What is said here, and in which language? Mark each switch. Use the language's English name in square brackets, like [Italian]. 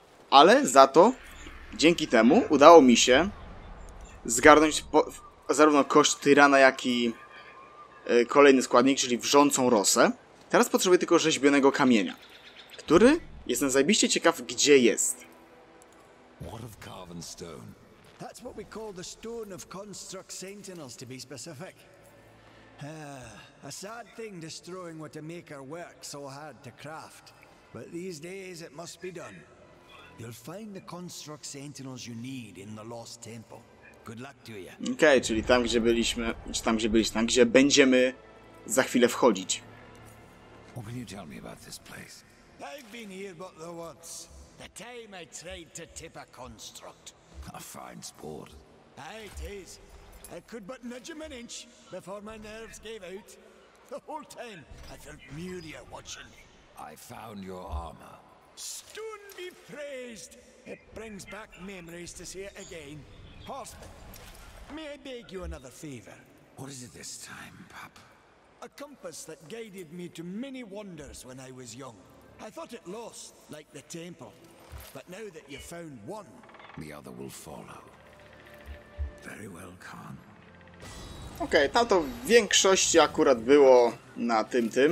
[Polish] Ale za to, dzięki temu, udało mi się zgarnąć zarówno kość tyrana, jak i kolejny składnik, czyli wrzącą rosę. Teraz potrzebuję tylko rzeźbionego kamienia, który jestem zajebiście ciekaw, gdzie jest. [English] What of carven stone? That's what we call the stone of construct sentinels, to be specific. A sad thing destroying what a maker works so hard to craft. But these days it must be done. You'll find the construct sentinels you need in the lost temple. Good luck to you. [Polish] Okay, czyli tam gdzie byliśmy, czy tam gdzie byliśmy, tam gdzie będziemy za chwilę wchodzić. [English] What can you tell me about this place? I've been here but the once. The time I tried to tip a construct. A fine sport. Aye, it is. I could but nudge him an inch before my nerves gave out. the whole time, I felt Muria watching me. I found your armor. Stone be praised! It brings back memories to see it again. Horseman, may I beg you another favor? What is it this time, Pop? A compass that guided me to many wonders when I was young. I thought it lost, like the temple. But now that you've found one... The other will follow. Very well, Khan. [Polish] Okej, okay, to w większości akurat było na tym.